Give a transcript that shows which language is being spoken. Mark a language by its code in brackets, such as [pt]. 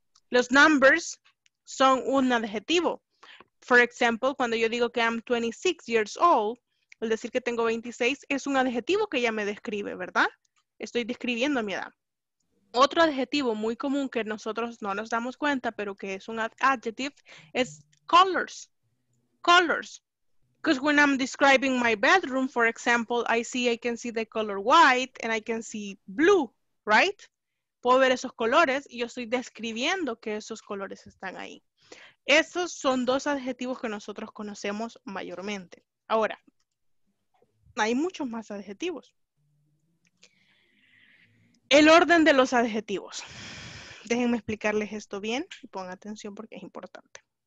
[es] Los numbers son un adjetivo. [en] For example, [es] cuando yo digo que [en] I'm 26 years old, [es] al decir que tengo 26, es un adjetivo que ya me describe, ¿verdad? Estoy describiendo mi edad. Otro adjetivo muy común que nosotros no nos damos cuenta, pero que es un adjective, es colors. [en] Colors. Because when I'm describing my bedroom, for example, I can see the color white and I can see blue, right? [es] Puedo ver esos colores y yo estoy describiendo que esos colores están ahí. Esos son dos adjetivos que nosotros conocemos mayormente. Ahora, hay muchos más adjetivos. El orden de los adjetivos. Déjenme explicarles esto bien y pongan atención porque es importante.